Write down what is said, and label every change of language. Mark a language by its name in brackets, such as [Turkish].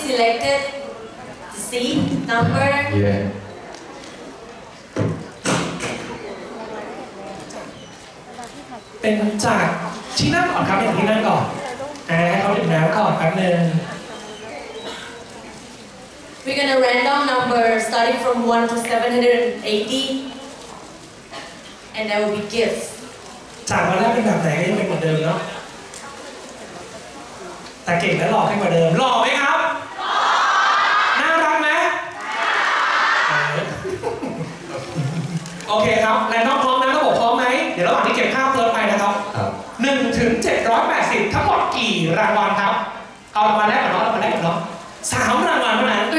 [English] selected seat number yeah [Thai] เป็นจากที่นั่งก่อนครับอย่างที่นั่งก่อนเขาเป็นแนวก่อนครับหนึ่ง [English] We're gonna random number starting from 1 to 780 and there will be gifts. [Thai] จากวันแรกเป็นแบบไหนก็ยังเป็นเหมือนเดิมเนาะแต่เก่งและหล่อให้เหมือนเดิมหล่อไหมครับ หล่อ น่ารักไหมโอเคครับแรนดอมพร้อมนะระบบพร้อมไหมเดี๋ยวระหว่างที่เก็บภาพเพิ่มไปนะครับ1ถึง780ทั้งหมดกี่รางวัลครับเอารางวัลแรกก่อนเนาะรางวัลแรกก่อนเนาะ3รางวัลเท่านั้น